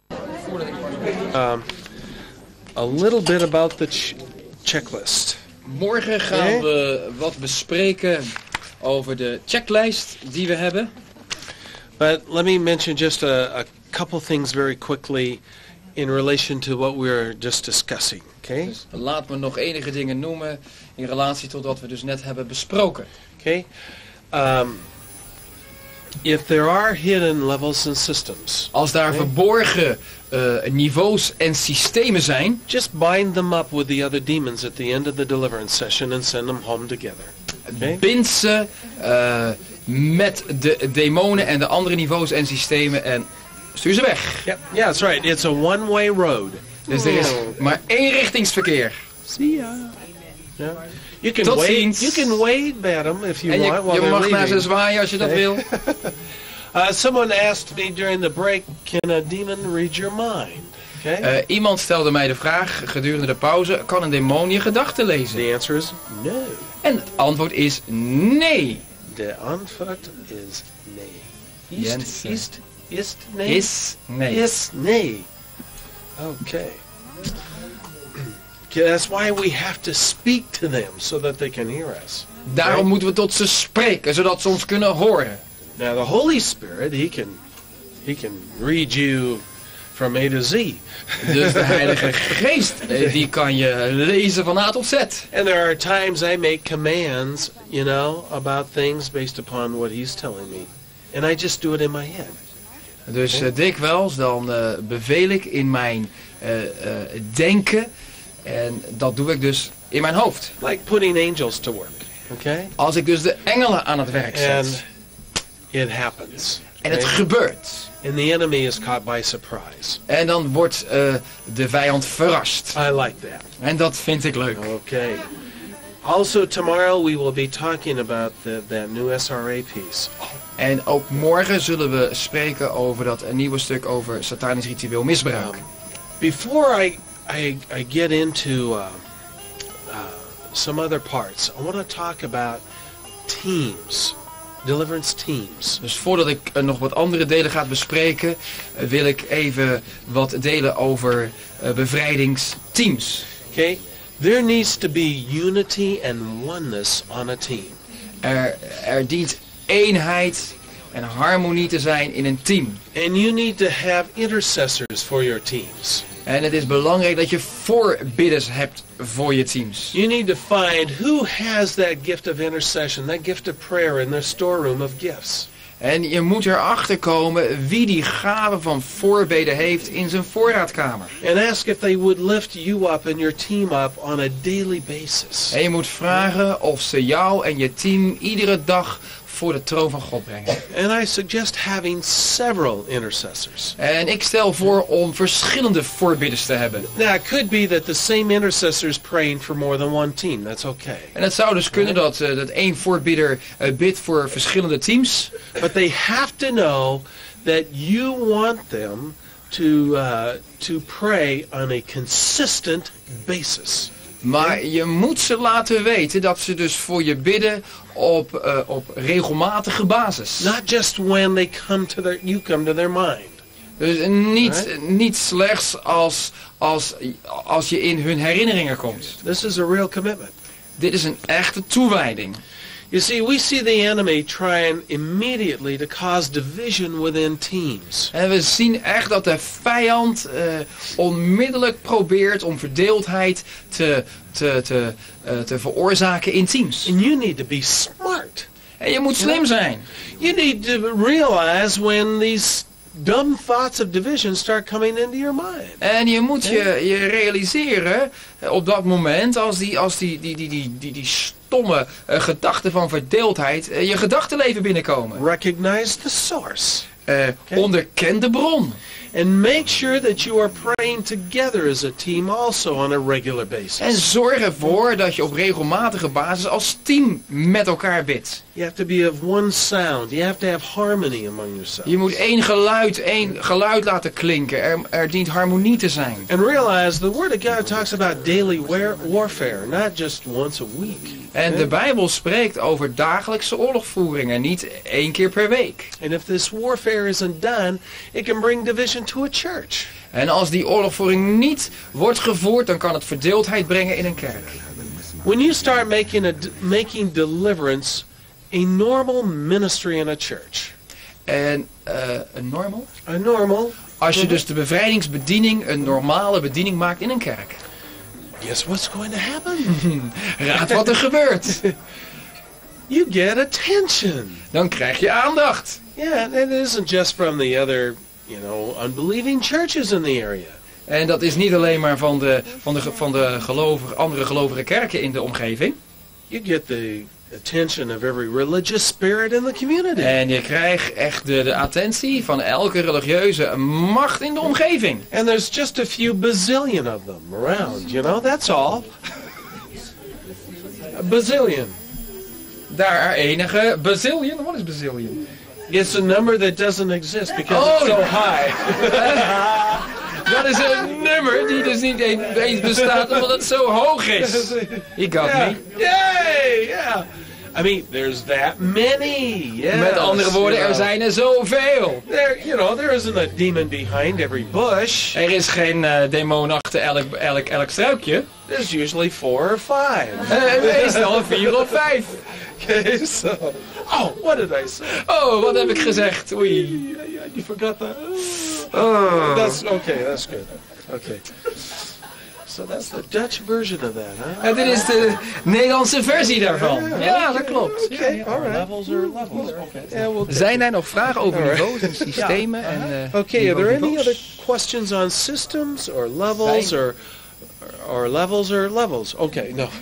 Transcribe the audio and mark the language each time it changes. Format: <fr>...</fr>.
<en>A little bit about the checklist.</en> <nl>Morgen gaan we wat bespreken over de checklist die we hebben.</nl> <en>But let me mention just a couple things very quickly in relation to what we're just discussing. Okay?</en> <nl>Dus laat me nog enige dingen noemen in relatie tot wat we dus net hebben besproken.</nl> <en>Okay? If there are hidden levels and systems,</en> <nl>als daar verborgen niveaus en systemen zijn,</nl> <en>just bind them up with the other demons at the end of the deliverance session and send them home together. Okay?</en> <nl>Bind ze met de demonen en de andere niveaus en systemen en stuur ze weg.</nl> <en>Yeah, that's right. It's a one-way road.</en> <nl>Dus er is maar één richtingsverkeer.</nl> <en>See ya. Yeah. You can</en> <nl>tot</nl> <en>wave.</en> <nl>Ziens.</nl> <en>You can wave at them if you</en> <nl>en</nl> <en>want.</en> <nl>Je mag</nl> <en>leaving.</en> <nl>Naar ze zwaaien als je dat wil.</nl> <en>Someone asked me during the break, can a demon read your mind? Okay.</en> <nl>Iemand stelde mij de vraag gedurende de pauze, kan een demon je gedachten lezen?</nl> <en>The answer is no.</en> <nl>En het antwoord is nee. De antwoord is nee. Is nee.</nl> <en>Okay. That's why we have to speak to them so that they can hear us.</en> <nl>Daarom moeten we tot ze spreken zodat ze ons kunnen horen.</nl> <en>Now the Holy Spirit, he can read you from A to Z.</en> <nl>Dus de Heilige Geest, die kan je lezen van A tot Z.</nl> <en>And there are times I make commands, you know, about things based upon what he's telling me. And I just do it in my head.</en> <nl>Dus dikwijls dan beveel ik in mijn denken. En dat doe ik dus in mijn hoofd.</nl> <en>Like putting angels to work. Okay?</en> <nl>Als ik dus de engelen aan het werk zet.</nl> <en>And it happens.</en> <nl>En het gebeurt.</nl> <en>And the enemy is caught by surprise.</en> <nl>En dan wordt de vijand verrast.</nl> <en>I like that.</en> <nl>En dat vind ik leuk.</nl> <en>Okay. Also tomorrow we will be talking about that new SRA piece.</en> <nl>En ook morgen zullen we spreken over dat nieuwe stuk over satanisch ritueel misbruik.</nl> <en>Before I get into some other parts. I want to talk about teams, deliverance teams.</en> <nl>Dus voordat ik nog wat andere delen ga bespreken, wil ik even wat delen over bevrijdingsteams.</nl> <en>Okay, there needs to be unity and oneness on a team.</en> <nl>Er dient eenheid en harmonie te zijn in een team.</nl> <en>And you need to have intercessors for your teams.</en> <nl>En het is belangrijk dat je voorbidders hebt voor je teams.</nl> <en>You need to find who has that gift of intercession, that gift of prayer in their storeroom of gifts.</en> <nl>En je moet erachter komen wie die gave van voorbeden heeft in zijn voorraadkamer.</nl> <en>And ask if they would lift you up and your team up on a daily basis.</en> <nl>En je moet vragen of ze jou en je team iedere dag voor de troon van God brengen.</nl> <en>And I suggest having several intercessors.</en> <nl>En ik stel voor om verschillende voorbidders te hebben.</nl> <en>Now it could be that the same intercessor is praying for more than one team. That's okay.</en> <nl>En het zou dus kunnen dat dat één voorbidder bidt voor verschillende teams.</nl> <en>But they have to know that you want them to pray on a consistent basis.</en> <nl>Maar je moet ze laten weten dat ze dus voor je bidden op regelmatige basis.</nl> <en>Not just when they come to their, you come to their mind.</en> <nl>Dus niet, right? Niet slechts als je in hun herinneringen komt.</nl> <en>This is a real commitment.</en> <nl>Dit is een echte toewijding.</nl> <en>You see, we see the enemy trying immediately to cause division within teams.</en> <nl>En we zien echt dat de vijand onmiddellijk probeert om verdeeldheid te veroorzaken in teams.</nl> <en>And you need to be smart.</en> <nl>En je moet slim zijn.</nl> <en>You need to realize when these dumb thoughts of division start coming into your mind.</en> <nl>En je moet je realiseren op dat moment als die stomme gedachten van verdeeldheid je gedachtenleven binnenkomen.</nl> <en>Recognize the source.</en> <nl>Onderken de bron.</nl> <en>And make sure that you are praying together as a team also on a regular basis.</en> <nl>En zorg ervoor dat je op regelmatige basis als team met elkaar bidt.</nl> <en>You have to be of one sound. You have to have harmony among yourselves.</en> <nl>Je moet één geluid laten klinken. Er dient harmonie te zijn.</nl> <en>And realize the word of God talks about daily warfare, not just once a week.</en> <nl>En de Bijbel spreekt over dagelijkse oorlogvoering en niet één keer per week.</nl> <en>And if this warfare isn't done, it can bring division to a church.</en> <nl>En als die oorlogvoering niet wordt gevoerd, dan kan het verdeeldheid brengen in een kerk.</nl> <en>When you start making deliverance a normal ministry in a church.</en> <nl>En normal?</nl> <en>A normal.</en> <nl>Als je dus de bevrijdingsbediening een normale bediening maakt in een kerk.</nl> <en>Guess what's going to happen?</en> <nl>Raad wat er gebeurt.</nl> <en>You get attention.</en> <nl>Dan krijg je aandacht.</nl> <en>Yeah, and it isn't just from the other, you know, unbelieving churches in the area.</en> <nl>En dat is niet alleen maar van de gelovige kerken in de omgeving.</nl> <en>You get the attention of every religious spirit in the community.</en> <nl>En je krijgt echt de attentie van elke religieuze macht in de omgeving.</nl> <en>And there's just a few bazillion of them around, you know, that's all. A bazillion. Daar are enige bazillion. What is bazillion? It's a number that doesn't exist because it's so high.</en> <nl>Dat is een nummer die dus niet eens bestaat omdat het zo hoog is.</nl> <en>He got me. Yay! Yeah. I mean, there's that many. Yes.</en> <nl>Met andere woorden, er zijn er zoveel.</nl> <en>There isn't a demon behind every bush.</en> <nl>Er is geen demon achter elk struikje.</nl> <en>There's usually four or five.</en> <nl>Meestal vier of vijf.</nl> <en>Okay, so. Oh, what did I say?</en> <nl>Oh, wat heb ik gezegd? Oei.</nl> <en>You forgot that. That's okay, that's good. Okay. So that's the Dutch version of that, huh?</en> <nl>En dit is de Nederlandse versie daarvan. Yeah, okay, dat klopt.</nl> <en>Okay, yeah, all right. Levels are levels. Okay.</en> <nl>Yeah, we'll zijn er nog vragen over niveaus en systemen?</nl> <en>Yeah. Okay, are there any other questions on systems or levels or levels or levels? Okay, no.</en>